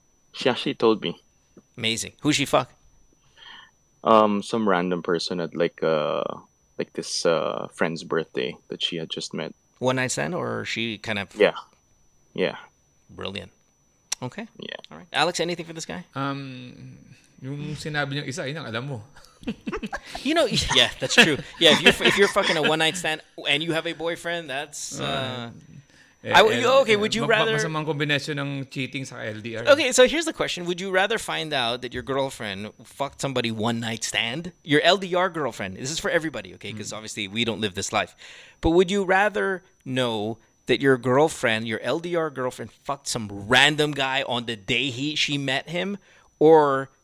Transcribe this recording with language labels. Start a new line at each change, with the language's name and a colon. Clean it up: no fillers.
English: She actually told me. Amazing. Who'd she fuck? Some random person at like this friend's birthday that she had just met. One night stand, or she kind of... Yeah. Yeah. Brilliant. Okay. Yeah. All right. Alex, anything for this guy?
Filipino: Yung sinabi niyang isa, yun ang alam mo.
English: You know, yeah, that's true. Yeah, if you're fucking a one-night stand and you have a boyfriend, that's... would you rather...
Filipino: Masamang kombinasyon ng cheating sa LDR.
English: Okay, so here's the question. Would you rather find out that your girlfriend fucked somebody one-night stand? Your LDR girlfriend. This is for everybody, okay? Because obviously we don't live this life. But would you rather know that your girlfriend, your LDR girlfriend, fucked some random guy on the day she met him? Or...